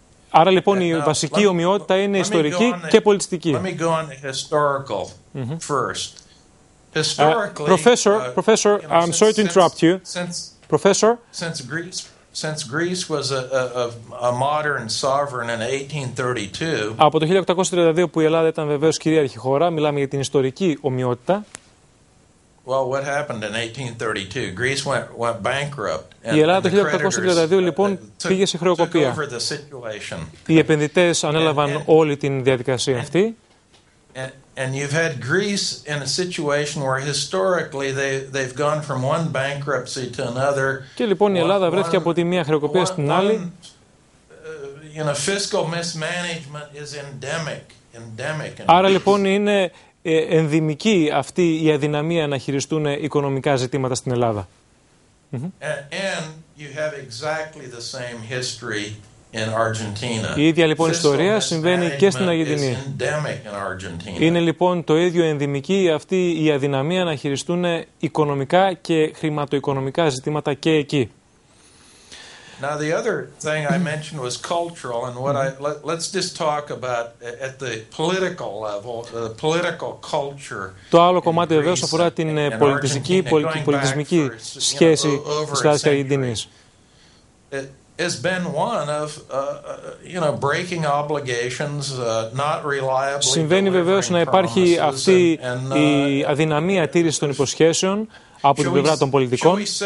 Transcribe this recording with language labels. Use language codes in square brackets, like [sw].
[el] Άρα λοιπόν η βασική ομοιότητα είναι ιστορική και πολιτιστική. [en] Let me go on the historical first. Professor, I'm sorry to interrupt you. Professor, since Greece was a modern sovereign in 1832. [el] Από το 1832 που η Ελλάδα ήταν βεβαίως κυρίαρχη χώρα, μιλάμε για την ιστορική ομοιότητα. [en] Well, what happened in 1832? Greece went bankrupt. [el] Η Ελλάδα το 1832 λοιπόν πήγε σε χρεοκοπία. Οι επενδυτές ανέλαβαν όλη την διαδικασία αυτή. [en] And you've had Greece in a situation where historically they've gone from one bankruptcy to another. [el] Και λοιπόν η Ελλάδα βρέθηκε από τη μία χρεοκοπία στην άλλη. [en] You know, fiscal mismanagement is endemic. [el] Άρα λοιπόν είναι ενδημική αυτή η αδυναμία να χειριστούν οικονομικά ζητήματα στην Ελλάδα. [en] And you have exactly the same history. In Argentina. [el] Η ίδια λοιπόν ιστορία συμβαίνει και στην Αργεντινή. Είναι λοιπόν το ίδιο ενδημική αυτή η αδυναμία να χειριστούν οικονομικά και χρηματοοικονομικά ζητήματα και εκεί. [en] Now the other thing I mentioned was cultural, and what let's just talk about at the political level, the political culture. [el] Το άλλο κομμάτι βεβαίως αφορά την πολιτιστική, πολιτισμική σχέση της Αργεντινής. [en] Has been one of breaking obligations, not reliably. [el] Συμβαίνει βεβαίως να υπάρχει αυτή η αδυναμία τήρησης των υποσχέσεων από την πλευρά των πολιτικών.